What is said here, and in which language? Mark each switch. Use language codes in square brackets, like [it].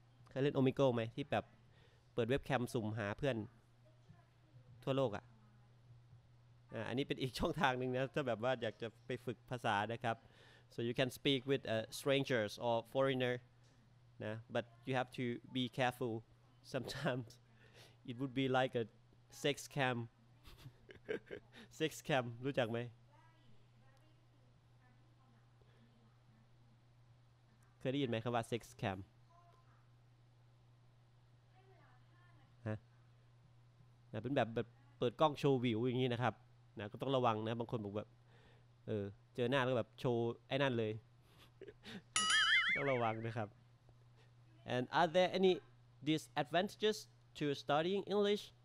[th] เคยเล่นโอมิโก้ไหมที่แบบเปิดเว็บแคมสุ่มหาเพื่อนทั่วโลกอันนี้เป็นอีกช่องทางนึงนะถ้าแบบว่าอยากจะไปฝึกภาษานะครับ [en] so you can speak with strangers or foreignerNah, but you have to be careful. Sometimes it would be like a sex cam. [th] sex cam, รู้จักไหมเคยได้ยินไหมคำว่า sex cam? ฮะเป็นแบบเปิดกล้องโชว์วิวอย่างนี้นะครับนะก็ต้องระวังนะบางคนบอกแบบเจอหน้าแล้วแบบโชว์ไอ้นั่นเลย ต้องระวังนะครับ [en] And are there any disadvantages to studying English?